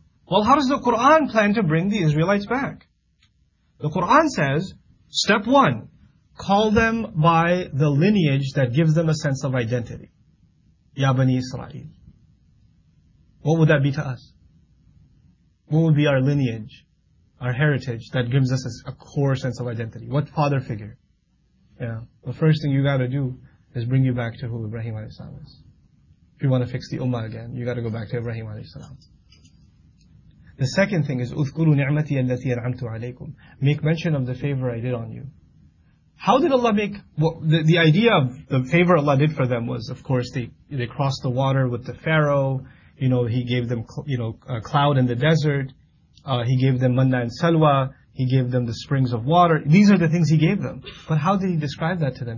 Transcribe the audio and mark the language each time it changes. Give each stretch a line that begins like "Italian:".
English: Well, how does the Quran plan to bring the Israelites back? The Quran says, step one, call them by the lineage that gives them a sense of identity. Ya Bani Israel. What would that be to us? What would be our lineage, our heritage that gives us a core sense of identity? What father figure? Yeah. The first thing you gotta do is bring you back to who Ibrahim alayhi salam is. If you wanna fix the ummah again, you gotta go back to Ibrahim alayhi salam. The second thing is,
Arabic: اُذْكُرُوا نِعْمَتِي الَّتِي أَنْعَمْتُ عَلَيْكُمْ.
English: Make mention of the favor I did on you. How did Allah make, well, the idea of the favor Allah did for them was, of course, they crossed the water with the Pharaoh. You know, he gave them, a cloud in the desert. He gave them manna and salwa. He gave them the springs of water. These are the things he gave them. But how did he describe that to them?